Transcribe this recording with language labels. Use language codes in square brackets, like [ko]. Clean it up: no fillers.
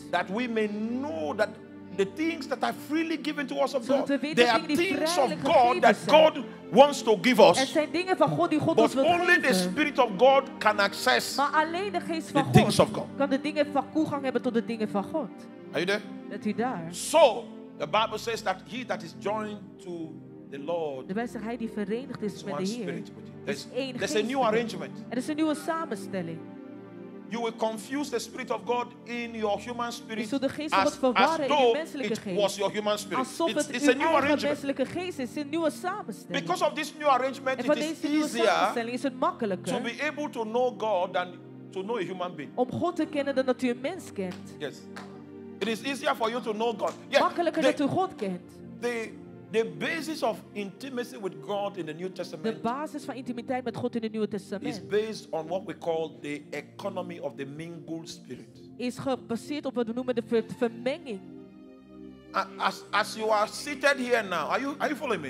[en] That we may know that the things that are freely given to us of God. [nl] Zodat we weten [en] there are things of God [nl] zijn. [en] That God wants to give us. [nl] Er zijn dingen van God die God [en] but [nl] ons wil geven. [en] Only the spirit of God can access. [nl] Maar alleen de geest van [en] the [nl] God, God kan de dingen van toegang hebben tot de dingen van God. [en] Are you there? [nl] Bent u daar? [en] So the Bible says that he that is joined to the Lord. [nl] De wijze hij die verenigd is met de Heer. [en] There's a new arrangement. [nl] Er is een nieuwe samenstelling. [en] You will confuse the spirit of God in your human spirit. [nl] Je zult de geest van God verwarren in uw menselijke geest. [en] Was your human spirit. [nl] Alsof het [en] it's a new arrangement. [nl] Menselijke geest is een nieuwe samenstelling. [en] Because of this new arrangement, it is easier is [nl] het makkelijker [en] to be able to know God than to know a human being. [nl] Om God te kennen dan dat u een mens kent. [en] Yes. It is easier for you to know God. [nl] Yeah, makkelijker dat u God kent. [en] The basis of intimacy with God in the New Testament. [nl] De basis van intimiteit met God in het Nieuwe Testament. [en] Is based on what we call the economy of the mingled spirit. [nl] Is gebaseerd op wat we noemen de vermenging. [en] As you are seated here now, are you following me?